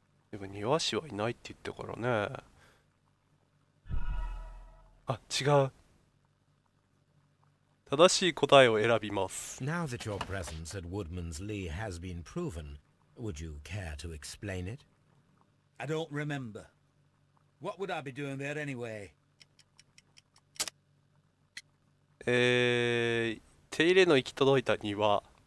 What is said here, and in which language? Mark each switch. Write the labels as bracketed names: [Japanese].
[Japanese] でも庭師はいないって言ったからね。あ、違う。正しい答えを選びます。 [English] Now that your presence at Woodman's Lee has been proven,Would you care to explain it? I don't remember. What would I be doing there anyway? [Japanese] 手入れの行き届いた庭。